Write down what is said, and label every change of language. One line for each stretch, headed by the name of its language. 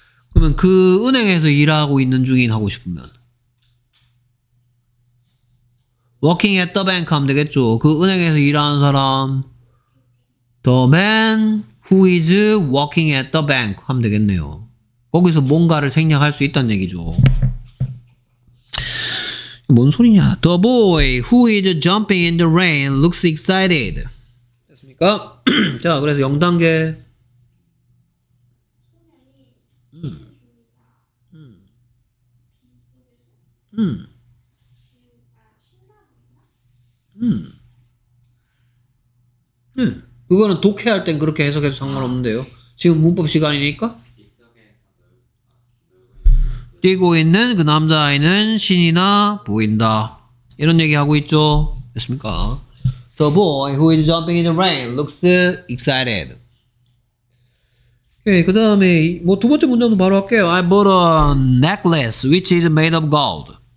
Korean: 그러면 그 은행에서 일하고 있는 중인 하고 싶으면
English: Working at the bank
Korean: 하면 되겠죠. 그 은행에서 일하는 사람
English: The man who is working at the bank
Korean: 하면 되겠네요. 거기서 뭔가를 생략할 수 있다는 얘기죠. 뭔 소리냐?
English: The boy who is jumping in the rain looks excited.
Korean: 됐습니까? 자, 그래서 0단계. 그거는 독해할 땐 그렇게 해석해도 상관없는데요. 지금 문법 시간이니까. 뛰고 있는 그 남자아이는 신이나 보인다. 이런 얘기하고 있죠. 됐습니까?
English: The boy who is jumping in the rain looks excited.
Korean: Okay, 그 다음에 뭐 두 번째 문장도 바로 할게요.
English: I bought a necklace which is made of gold.